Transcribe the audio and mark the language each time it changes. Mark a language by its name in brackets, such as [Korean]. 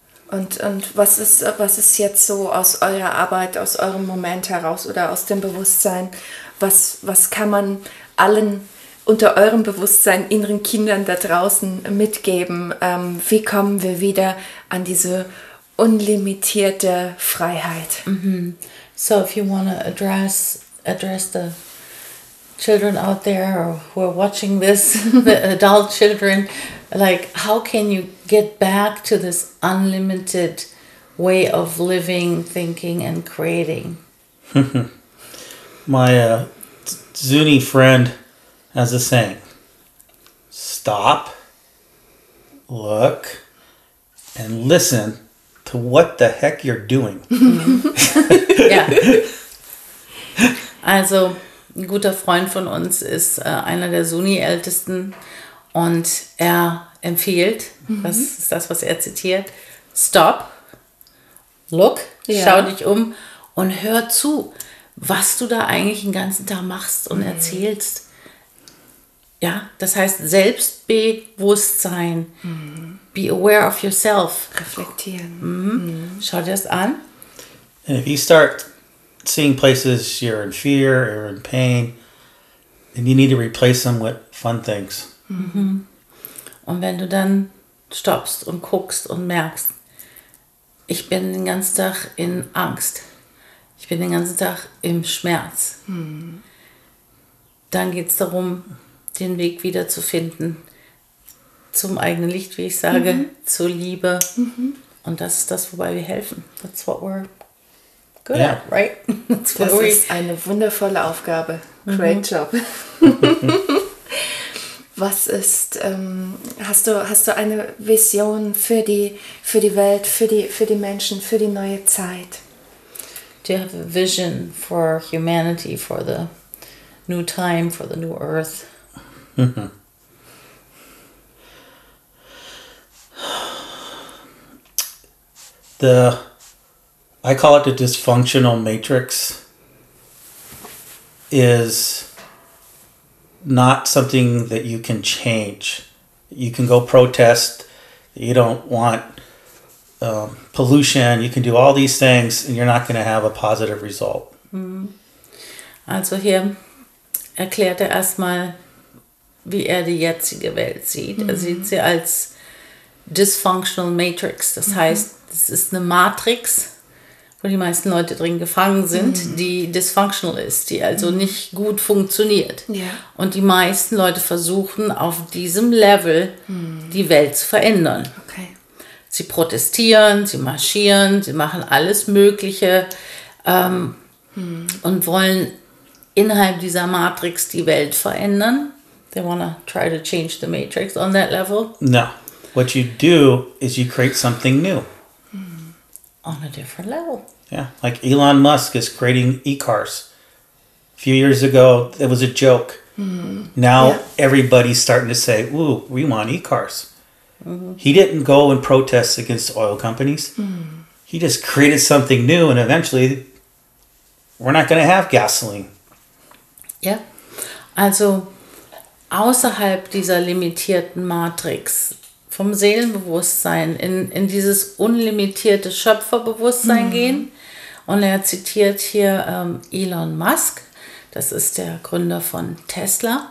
[German] Und was ist jetzt so aus eurer Arbeit, aus eurem Moment heraus oder aus dem Bewusstsein, was kann man allen unter eurem Bewusstsein inneren Kindern da draußen mitgeben? Wie kommen wir wieder an diese unlimitierte Freiheit? [English] So if you want to address the children out there who are watching this, the adult children, like, how can you get back to this unlimited way of living, thinking, and creating? My Zuni friend has a saying, stop, look, and listen to what the heck you're doing. [German] Also, ein guter Freund von uns ist einer der Zuni-Ältesten, und er empfiehlt, das ist das, was er zitiert, [English] stop, look, [German] schau dich um und hör zu, was du da eigentlich den ganzen Tag machst und erzählst. Ja, das heißt Selbstbewusstsein, [English] be aware of yourself. [German] Reflektieren. Schau dir das an. [English] And if you start seeing places you're in fear or in pain, then you need to replace them with fun things. [German] Und wenn du dann stoppst und guckst und merkst, ich bin den ganzen Tag in Angst, ich bin den ganzen Tag im Schmerz, dann geht es darum, den Weg wieder zu finden zum eigenen Licht, wie ich sage, zur Liebe. Und das ist das, wobei wir helfen. [English] That's what we're good at, right? [German] Das ist eine wundervolle Aufgabe. [English] Great job. [German] Was ist, hast du eine Vision für die Welt, für die Menschen, für die neue Zeit? [English] Do you have a vision for humanity, for the new time, for the new earth? I call it the dysfunctional matrix, is not something that you can change. You can go protest, you don't want pollution, you can do all these things and you're not going to have a positive result. [German] Also hier erklärt erstmal, wie die jetzige Welt sieht. Sieht sie als dysfunctional matrix, das heißt, es ist eine Matrix, wo die meisten Leute drin gefangen sind, die dysfunctional ist, die also nicht gut funktioniert. [English] Yeah. [German] Und die meisten Leute versuchen auf diesem Level die Welt zu verändern. [English] Okay. [German] Sie protestieren, sie marschieren, sie machen alles Mögliche und wollen innerhalb dieser Matrix die Welt verändern. [English] They wanna try to change the matrix on that level. No. What you do is you create something new. On a different level. Yeah, like Elon Musk is creating e-cars. A few years ago, it was a joke. Mm-hmm. Now yeah. everybody's starting to say, ooh, we want e-cars. Mm-hmm. He didn't go and protest against oil companies. Mm-hmm. He just created something new, and eventually we're not going to have gasoline. Yeah. [German] Also außerhalb dieser limitierten Matrix vom Seelenbewusstsein in dieses unlimitierte Schöpferbewusstsein mm-hmm. gehen. Und er zitiert hier Elon Musk. Das ist der Gründer von Tesla.